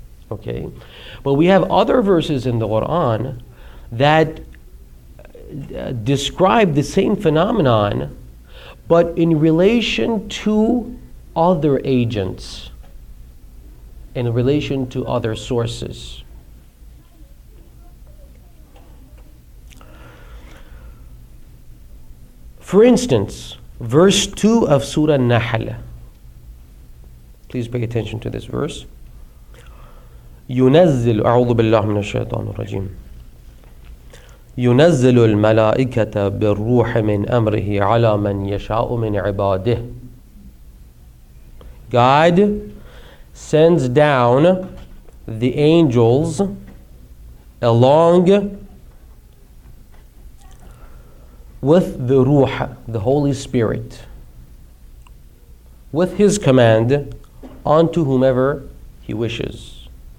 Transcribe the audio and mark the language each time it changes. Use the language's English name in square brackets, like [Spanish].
[English] Okay? But we have other verses in the Quran that describe the same phenomenon, but in relation to other agents, in relation to other sources. For instance, verse 2 of Surah An-Nahl. Please pay attention to this verse. [Arabic] ينزل أعوذ بالله من الشيطان الرجيم ينزل الملائكة بالروح من أمره على من يشاء من عباده. [English] God sends down the angels along with the Ruh, the Holy Spirit, with His command, unto whomever He wishes.